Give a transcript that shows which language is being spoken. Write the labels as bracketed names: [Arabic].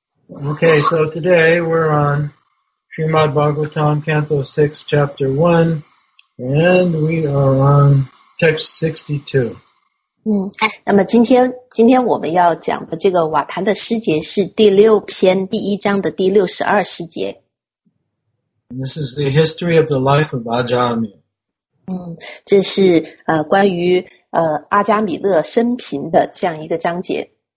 [English] Okay, so today we're on Srimad Bhagavatam, Canto 6, Chapter 1, and we are on Text 62. [Chinese] 那么今天我们要讲的这个瓦坛的诗节是第六篇第一章的第62诗节。 [English] And this is the history of the life of Ajami. [Chinese] 这是关于阿加米勒生平的这样一个章节。